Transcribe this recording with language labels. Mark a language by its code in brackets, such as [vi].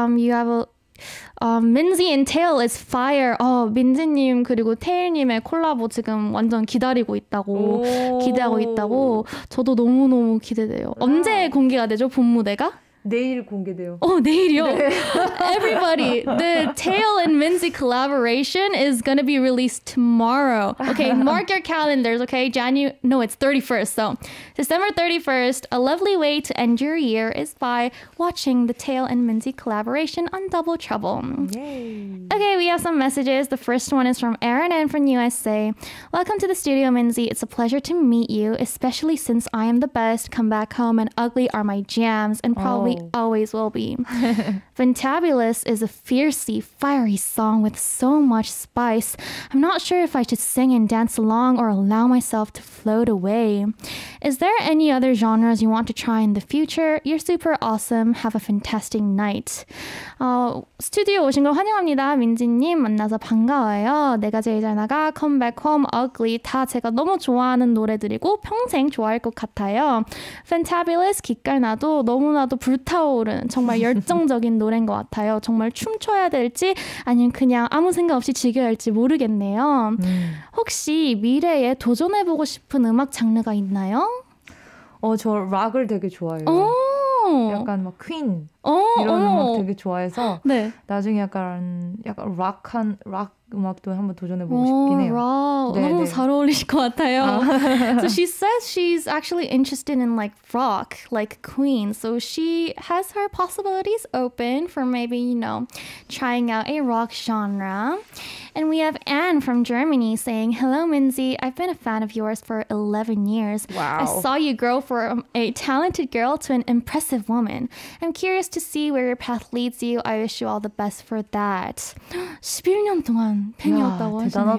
[en] You have a Minzy and Tail is fire. [ko] 민지님 그리고 테일님의 콜라보 지금 완전 기다리고 있다고 기대하고 있다고. 저도 너무 너무 기대돼요. 언제 공개가 되죠? 본 무대가? 내일 공개돼요. 내일이요? 네. [en] Everybody, the Tail and Minzy collaboration is gonna be released tomorrow. Okay, mark your calendars. Okay, it's 31st. So December 31st, a lovely way to end your year is by watching the Tail and Minzy collaboration on Double Trouble. Yay! Okay, we have some messages. The first one is from Aaron and from USA. Welcome to the studio, Minzy. It's a pleasure to meet you, especially since I am the best. Come back home and ugly are my jams, and probably. We always will be. Fantabulous is a fiercely, fiery song with so much spice. I'm not sure if I should sing and dance along or allow myself to float away. Is there any other genres you want to try in the future? You're super awesome. Have a fantastic night. [ko] 스튜디오 오신 걸 환영합니다. 민지님 만나서 반가워요. 내가 제일 잘 나가, Come Back Home, Ugly 다 제가 너무 좋아하는 노래들이고 평생 좋아할 것 같아요. Fantabulous, 기깔나도 너무나도 불타오른 정말 열정적인 노래인 것 같아요. 정말 춤춰야 될지 아니면 그냥 아무 생각 없이 즐겨야 할지 모르겠네요. 혹시 미래에 도전해보고 싶은 음악 장르가 있나요? 저 락을 되게 좋아해요. 약간 막 퀸 이런 음악 되게 좋아해서 네. 나중에 약간 락한 락 음악도 한번 도전해보고 싶긴 해요. 와, 너무 잘 어울리실 것 같아요. [en] 아. So she says she's actually interested in like rock, like Queen. So she has her possibilities open for maybe, you know, trying out a rock genre. And we have Anne from Germany saying, Hello, Minzy. I've been a fan of yours for 11 years. Wow. I saw you grow from a talented girl to an impressive woman. I'm curious to see where your path leads you. I wish you all the best for that. [ko] 11년 동안 팬이었다고 하시네요.